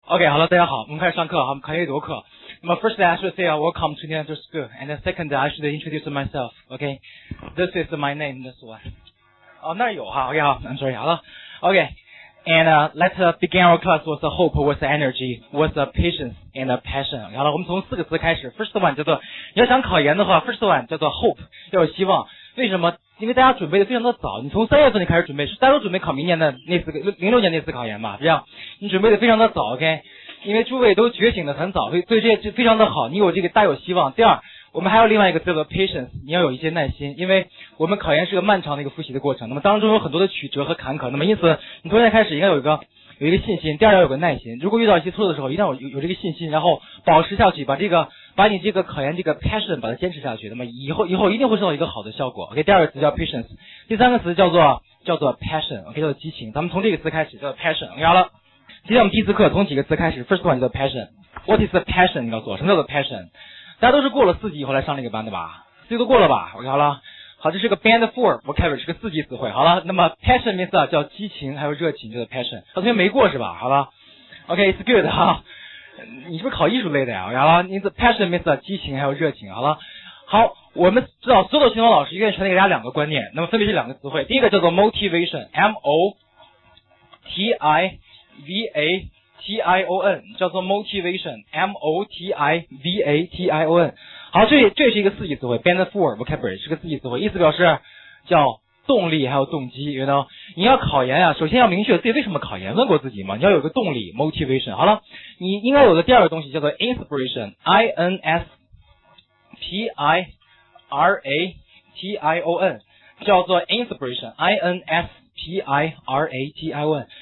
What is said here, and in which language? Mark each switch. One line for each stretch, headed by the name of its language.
English: Okay, hello,
Chinese: 大家好，我们开始上课，我们开始读课。
English: 那么 ，firstly, I should say welcome to Nianzhou School, and secondly, I should introduce myself. Okay, this is my name, this one.
Chinese: 哦，那有哈 ，OK 好，南卓雅了。
English: Okay, and let's begin our class with hope, with energy, with patience and passion.
Chinese: 好了，我们从四个词开始。First one 叫做，你要想考研的话 ，first one 叫做 hope， 要有希望。为什么？因为大家准备的非常的早，你从三月份就开始准备，是大家都准备考明年的那次零六年那次考研嘛，这样你准备的非常的早 ，OK？因为诸位都觉醒的很早，所以这就非常的好，你有这个大有希望。第二，我们还有另外一个叫做 patience， 你要有一些耐心，因为我们考研是个漫长的一个复习的过程，那么当中有很多的曲折和坎坷，那么因此你从现在开始应该有一个信心，第二要有个耐心，如果遇到一些挫折的时候，一定要有这个信心，然后保持下去，把你这个考研这个 passion 把它坚持下去，那么以后一定会收到一个好的效果。 OK， 第二个词叫 patience， 第三个词叫做 passion， OK， 叫做激情。咱们从这个词开始，叫做 passion。OK， 好了，今天我们第一次课从几个词开始 ，first one 叫做 passion。
English: What is the passion？
Chinese: 你告诉我，什么叫做 passion？大家都是过了四级以后来上这个班的吧？四级都过了吧 ？OK， 好了，好，这是个
English: band four vocabulary，
Chinese: 是个四级词汇。好了，那么 passion means 叫激情，还有热情，叫做 passion。他同学没过是吧？好了 ，
English: OK， it's good
Chinese: 哈。你是不是考艺术类的呀？然后你的 passion means 激情还有热情。好了，好，我们知道所有的新闻老师愿意传递给大家两个观念，那么分别是两个词汇。第一个叫做 motivation， motivation， 叫做 motivation， motivation。好，这是一个四级词汇，
English: band four vocabulary，
Chinese: 是个四级词汇，意思表示叫动力还有动机。
English: you know，
Chinese: 你要考研啊，首先要明确自己为什么考研，问过自己吗？你要有个动力 motivation。好了，你应该有的第二个东西叫做 inspiration， inspiration， 叫做 inspiration， inspiration。